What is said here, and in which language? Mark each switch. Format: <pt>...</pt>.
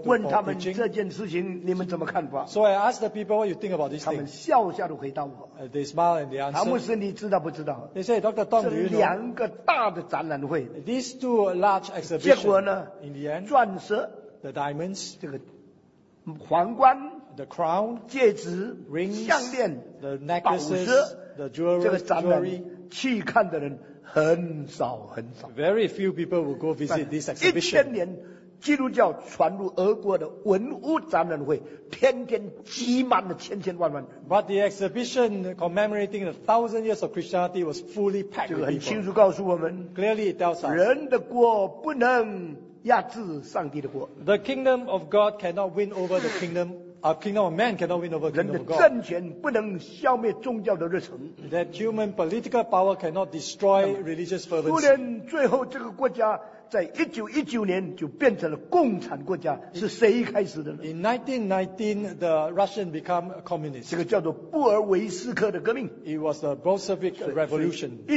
<zh>问他们这件事情你们怎么看法</zh> <en>？So I asked the people what you think about this thing.</en> <zh>他们笑笑的回答我。</zh> <en>They smile and they answer.</en> <zh>唐牧师，你知道不知道</zh> <en>？They say, Dr. Tom, do you know?</en> <zh>这两个大的展览会。</zh> <en>These two large exhibitions.</en> <zh>结果呢</zh> <en>？In the end,</en> <zh>钻石</zh> <en>，the diamonds，</en> <zh>这个皇冠</zh> <en>，the crown，</en> <zh>戒指</zh> <en>，rings，</en> <zh>项链</zh> <en>，the necklaces。 The jewelry,</en> <zh>这个展览去看的人很少很少。</zh> <en>Very few people will go visit this exhibition.</en> <zh>1000年基督教传入俄国的文物展览会，天天挤满了千千万万人。</zh> <en>But the exhibition commemorating the 1000 years of Christianity was fully packed.</en> <zh>这个很清楚告诉我们</zh> <en>，Clearly it tells us,</en> <zh>人的国不能压制上帝的国。</zh> <en>The kingdom of God cannot win over the kingdom. A kingdom of man cannot win over a kingdom of God.</en> <zh>人的政权不能消灭宗教的热忱。</zh> <en>That human political power cannot destroy religious fervency.</en> <zh>苏联最后这个国家在1919年就变成了共产国家，是谁开始的呢</zh> <en>？In 1919, the Russian became a communist.</en> <zh>这个叫做布尔维斯克的革命。</zh> <en>It was the Bolshevik Revolution.</en>